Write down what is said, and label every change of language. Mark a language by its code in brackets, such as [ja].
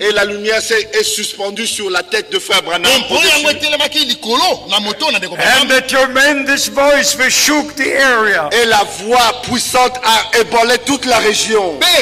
[fr] Et la lumière est suspendue sur la tête de Frère Branham. [en] And the tremendous voice which shook the area. [fr] Et la voix puissante a ébranlé toute la région.